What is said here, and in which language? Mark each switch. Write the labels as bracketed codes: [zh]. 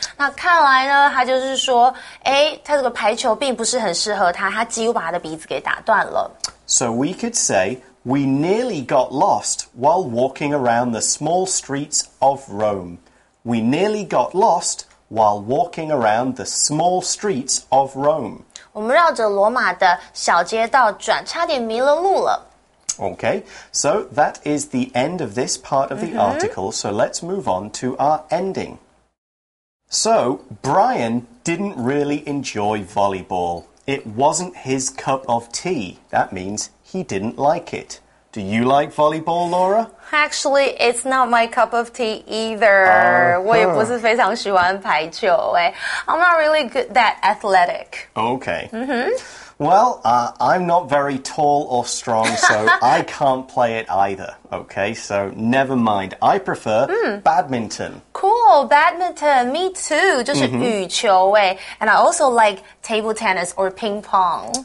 [zh] 那看来呢，他就是说，诶，他这个排球并不是很适合他，他几乎把他的鼻子给打断了。 [en] So we could say, we nearly got lost while walking around the small streets of Rome. We nearly got lost while walking around the small streets of Rome. [zh] 我们绕着罗马的小街道转，差点迷了路了。 [en] Okay, so that is the end of this part of the article, so let's move on to our ending. So, Brian didn't really enjoy volleyball. It wasn't his cup of tea. That means he didn't like it. Do you like volleyball, Laura? Actually, it's not my cup of tea either. [zh] 我也不是非常喜欢排球诶。 [en] I'm not really good that athletic. Okay. I'm not very tall or strong, so I can't play it either. Okay, so never mind. I prefer badminton. Cool, badminton. Me too. [zh] 就是羽球诶。 [en] And I also like table tennis or ping pong.